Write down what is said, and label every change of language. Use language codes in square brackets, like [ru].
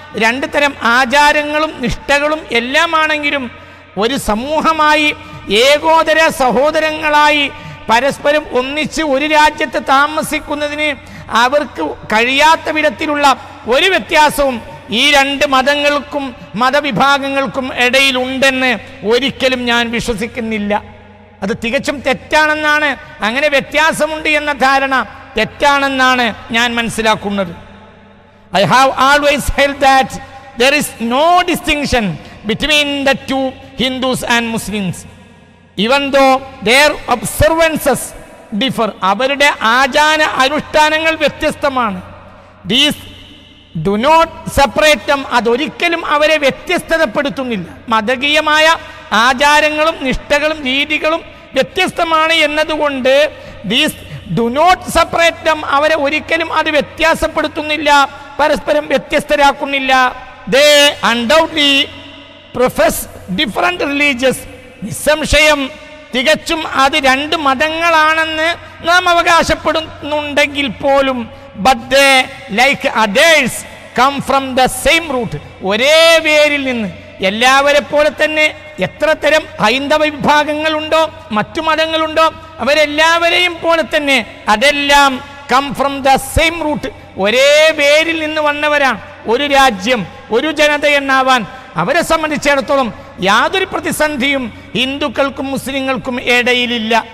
[ml] രണ്ട് തരം ആചാരങ്ങളും നിഷ്ഠകളും എല്ലാമാണെങ്കിലും ഒരു സമൂഹമായി ഏകോദര സഹോദരങ്ങളായി പരസ്പരം ഒന്നിച്ച് ഒരു രാജ്യത്ത് താമസിക്കുന്നതിന് അവർക്ക് കഴിയാത്ത വിധത്തിലുള്ള ഒരു വ്യത്യാസവും ഈ രണ്ട് മതങ്ങൾക്കും മതവിഭാഗങ്ങൾക്കും ഇടയിലുണ്ടെന്ന് ഒരിക്കലും ഞാൻ വിശ്വസിക്കുന്നില്ല. അത് തികച്ചും തെറ്റാണെന്നാണ്, അങ്ങനെ വ്യത്യാസമുണ്ട് എന്ന ധാരണ തെറ്റാണെന്നാണ് ഞാൻ മനസ്സിലാക്കുന്നത്. [en] I have always held that there is no distinction between the two Hindus and Muslims. Even though their observances differ, [ml] അവരുടെ ആചാര അനുഷ്ഠാനങ്ങൾ വ്യത്യസ്തമാണ്. [en] These do not separate them, [ml] അതൊരിക്കലും അവരെ വ്യത്യസ്തതപ്പെടുത്തുന്നില്ല. മതകീയമായ ആചാരങ്ങളും നിഷ്ഠകളും രീതികളും വ്യത്യസ്തമാണ് എന്നതുകൊണ്ട് [en] these do not separate them, [ml] അവരെ ഒരിക്കലും അത് വ്യത്യാസപ്പെടുത്തുന്നില്ല, പരസ്പരം വ്യത്യസ്തരാക്കുന്നില്ല. [en] They undoubtedly profess different religions. [ml] നിസ്സംശയം തികച്ചും അത് രണ്ട് മതങ്ങളാണെന്ന് നാം അവകാശപ്പെടുന്നുണ്ടെങ്കിൽ പോലും [en] but they like others come from the same root. [ml] ഒരേ വേരിൽ നിന്ന് എല്ലാവരെ പോലെ തന്നെ എത്ര തരം ഹൈന്ദവ വിഭാഗങ്ങളുണ്ടോ മറ്റു മതങ്ങളുണ്ടോ അവരെല്ലാവരെയും പോലെ തന്നെ അതെല്ലാം [en] come from the same root, [ml] ഒരേ വേരിൽ നിന്ന് വന്നവരാണ്. ഒരു രാജ്യം ഒരു ജനത എന്നാവാൻ അവരെ സംബന്ധിച്ചിടത്തോളം യാതൊരു പ്രതിസന്ധിയും ഹിന്ദുക്കൾക്കും മുസ്ലിങ്ങൾക്കും ഇടയിലില്ല.